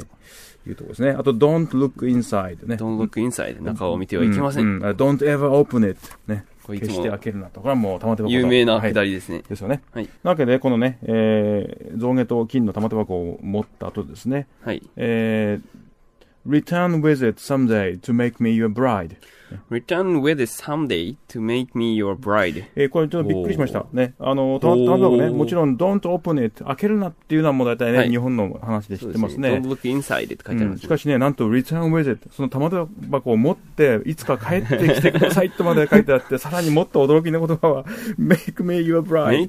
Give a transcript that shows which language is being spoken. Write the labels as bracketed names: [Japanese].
[Japanese] はい、いうところですね。 [English] あと Don't look inside ね。 Don't look inside、 [Japanese] うん、中を見てはいけません。うんうん、 [English] Don't ever open it [Japanese] ね。決して開けるなと。これはもう玉手箱有名な下りですね。はい、ですよね。はい、なわけでこのね、象牙と金の玉手箱を持った後ですね。はい。 [English] Return with it someday to make me your bride. Return with it someday to make me your bride. [Japanese] これちょっとびっくりしましたね。あの、玉手箱ね、もちろん [English] Don't open it [Japanese] 開けるなっていうのはもう大体ね、はい、日本の話で知ってますね。 [English] Don't look inside [Japanese] って書いてあるんですよ、うん。しかしね、なんと [English] Return with it [Japanese] その玉手箱を持っていつか帰ってきてくださいとまで書いてあってさらにもっと驚きな言葉は [English] Make me your bride.